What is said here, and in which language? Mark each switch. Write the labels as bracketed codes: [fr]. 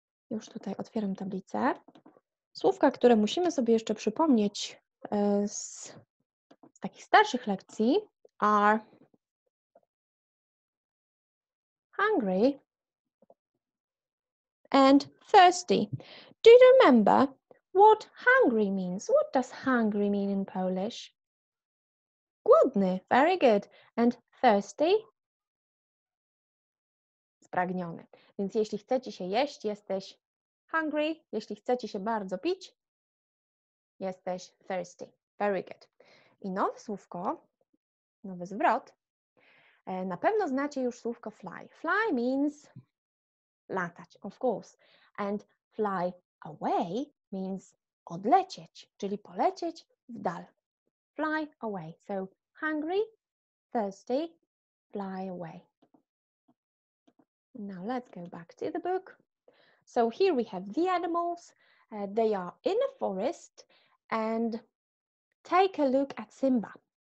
[pl] Już tutaj otwieram tablicę. Słówka, które musimy sobie jeszcze przypomnieć z takich starszych lekcji [en] are hungry and thirsty. Do you remember what hungry means? What does hungry mean in Polish? [pl] Głodny, [en] very good. And thirsty? [pl] Spragniony. Więc jeśli chce ci się jeść, jesteś hungry, jeśli chcecie się bardzo pić, jesteś thirsty. [en] Very good. [pl] I nowe słówko, nowy zwrot. Na pewno znacie już słówko fly. [en] Fly means [pl] latać, [en] of course. And fly away means [pl] odlecieć, czyli polecieć w dal. [en] Fly away. So hungry, thirsty, fly away. Now let's go back to the book. So here we have the animals, they are in a forest, and take a look at Simba.